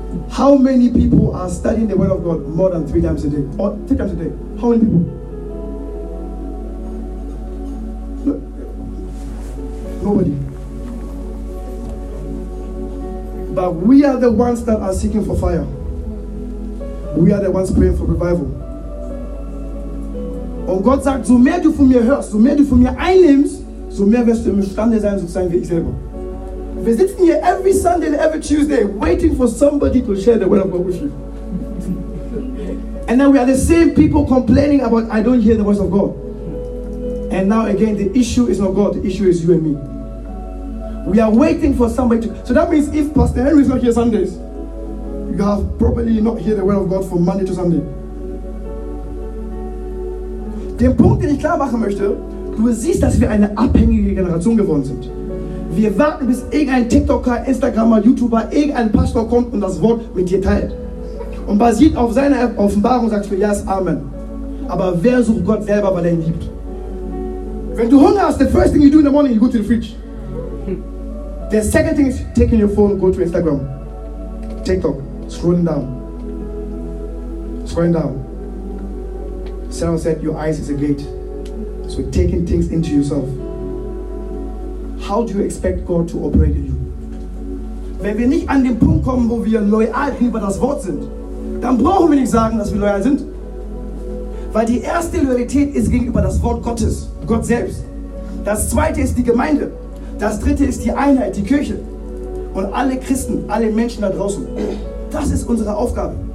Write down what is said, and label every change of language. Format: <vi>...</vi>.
<en>How many people are studying the Word of God more than three times a day? Or three times a day? How many people? Nobody. But we are the ones that are seeking for fire. We are the ones praying for revival.</en> <de>Und Gott sagt, so mehr du von mir hörst, so mehr du von mir einnimmst, so mehr wirst du imstande sein, so zu sein wie ich selber. Wir sitzen hier</de> <en>every Sunday and every Tuesday waiting for somebody to share the word of God with you. And then we are the same people complaining about I don't hear the voice of God. And now again, the issue is not God, the issue is you and me. We are waiting for somebody to... So that means if Pastor Henry is not here Sundays, you have probably not heard the word of God from Monday to Sunday.</en> <de>Den Punkt, den ich klar machen möchte, du siehst, dass wir eine abhängige Generation geworden sind. Wir warten, bis irgendein TikToker, Instagrammer, YouTuber, irgendein Pastor kommt und das Wort mit dir teilt. Und basiert auf seiner Offenbarung sagst du, ja, yes, Amen. Aber wer sucht Gott selber, weil er ihn liebt? Wenn du Hunger hast,</de> <en>the first thing you do in the morning, you go to the fridge. The second thing is taking your phone, go to Instagram. TikTok, scrolling down. Scrolling down. Sarah said, your eyes is a gate. So taking things into yourself. How do you expect God to operate in you?</en> <de>Wenn wir nicht an den Punkt kommen, wo wir loyal gegenüber das Wort sind, dann brauchen wir nicht sagen, dass wir loyal sind. Weil die erste Loyalität ist gegenüber das Wort Gottes, Gott selbst. Das zweite ist die Gemeinde. Das dritte ist die Einheit, die Kirche. Und alle Christen, alle Menschen da draußen. Das ist unsere Aufgabe.</de>